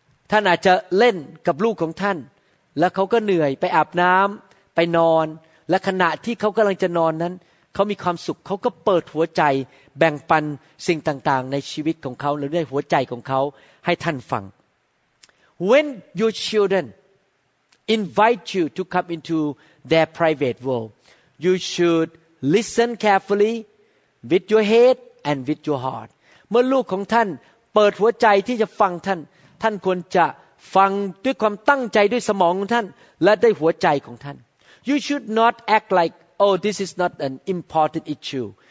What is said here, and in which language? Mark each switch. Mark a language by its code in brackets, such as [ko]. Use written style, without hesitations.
[th] ท่านอาจจะเล่นกับลูกของท่านแล้วเขาก็เหนื่อยไปอาบน้ำไปนอนและขณะที่เขากำลังจะนอนนั้นเขามีความสุขเขาก็เปิดหัวใจแบ่งปันสิ่งต่างๆในชีวิตของเขาหรือในหัวใจของเขาให้ท่านฟัง [en] When your childreninvite you to come into their private world. You should listen carefully with your head and with your heart. [th] เมื่อลูกของท่านเปิดหัวใจที่จะฟังท่านท่านควรจะฟังด้วยความตั้งใจด้วยสมองของท่านและด้วยหัวใจของท่าน [en] You should not act like, oh, this is not an important issue.